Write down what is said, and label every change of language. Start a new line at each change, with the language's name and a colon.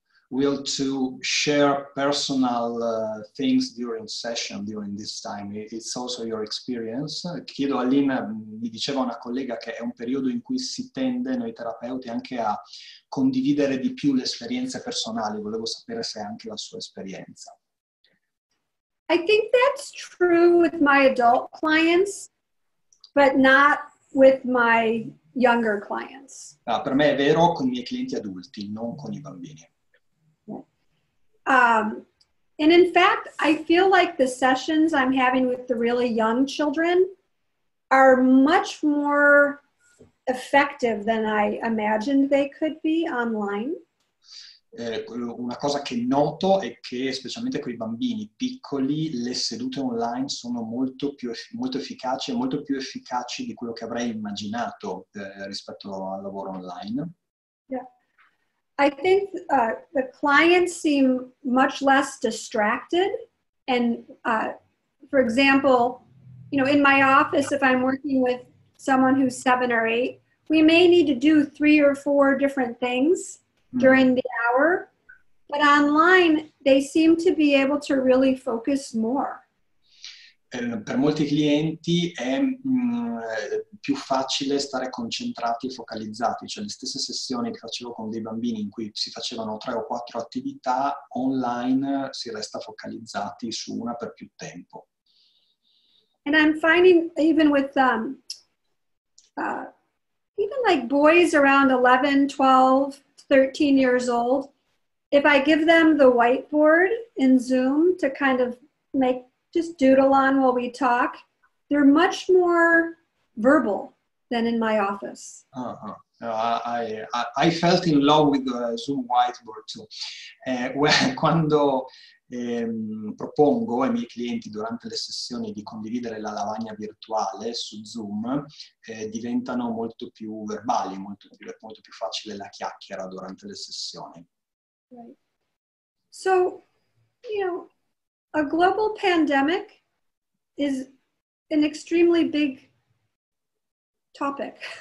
English: will to share personal things during session, during this time. It's also your experience.
Italian: Chiedo a Lynn, mi diceva una collega che è un periodo in cui si tende, noi terapeuti, anche a condividere di più le esperienze personali. Volevo sapere se è anche la sua esperienza.
English: I think that's true with my adult clients, but not with my younger clients.
Italian: Ah, per me è vero con i miei clienti adulti, non con i bambini.
English: And in fact, I feel like the sessions I'm having with the really young children are much more effective than I imagined they could be online.
Italian: Una cosa che noto è che, specialmente con i bambini piccoli, le sedute online sono molto più efficaci di quello che avrei immaginato rispetto al lavoro online.
English: Yeah. I think the clients seem much less distracted. And for example, you know, in my office, if I'm working with someone who's 7 or 8, we may need to do 3 or 4 different things during the hour, but online they seem to be able to really focus more.
Italian: Per molti clienti è più facile stare concentrati e focalizzati, cioè le stesse sessioni che facevo con dei bambini in cui si facevano 3 o 4 attività, online si resta focalizzati su una per più tempo.
English: And I'm finding even with even like boys around 11, 12, 13 years old, if I give them the whiteboard in Zoom to kind of make, just doodle on while we talk, they're much more verbal than in my office. Uh-huh. I felt in love with the Zoom whiteboard too.
Italian: Quando propongo ai miei clienti durante le sessioni di condividere la lavagna virtuale su Zoom, diventano molto più verbali, molto più facile la chiacchiera durante le sessioni.
English: Right. So, you know, a global pandemic is an extremely big topic.